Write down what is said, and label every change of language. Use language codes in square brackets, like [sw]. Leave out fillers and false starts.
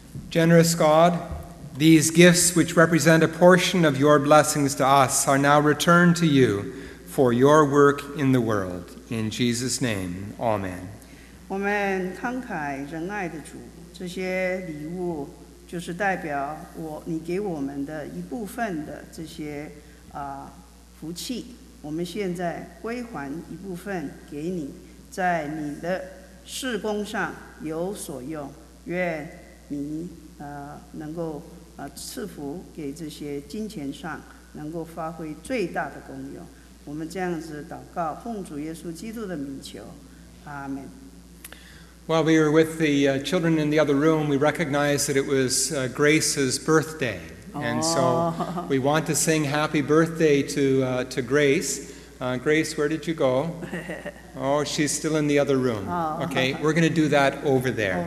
[en] Generous God, these gifts which represent a portion of your blessings to us are now returned to you for your work in the world. In Jesus' name, Amen. [zh] 我们慷慨仁爱的主，这些礼物就是代表我你给我们的一部分的这些福气。我们现在归还一部分给你，在你的事工上有所用。愿你能够赐福给这些金钱上能够发挥最大的功用。我们这样子祷告，奉主耶稣基督的名求，阿门。 [en] While we were with the children in the other room, we recognized that it was Grace's birthday. And so we want to sing happy birthday to Grace. Grace, where did you go? Oh, she's still in the other room. Okay, we're going to do that over there.